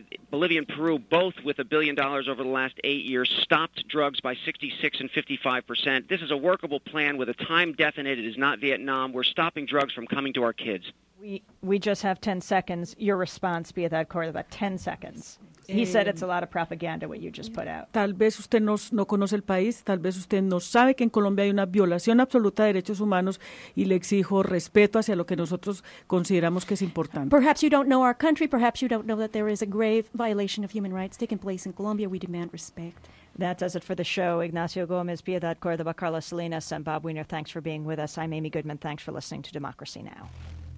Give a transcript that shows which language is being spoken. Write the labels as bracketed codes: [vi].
[en] Bolivia and Peru, both with $1 billion over the last 8 years, stopped drugs by 66% and 55%. This is a workable plan with a time definite. It is not Vietnam. We're stopping drugs from coming to our kids. We just have 10 seconds. Your response, Pia Thad Córdoba, 10 seconds. He said it's a lot of propaganda, what you just put out. [es] Tal vez usted no conoce el país, tal vez usted no sabe que en Colombia hay una violación absoluta de derechos humanos, y le exijo respeto hacia lo que nosotros consideramos que es importante. [en] Perhaps you don't know our country, perhaps you don't know that there is a grave violation of human rights taking place in Colombia. We demand respect. That does it for the show. Ignacio Gomez, Pia Thad Córdoba, Carlos Salinas, and Bob Weiner, thanks for being with us. I'm Amy Goodman. Thanks for listening to Democracy Now!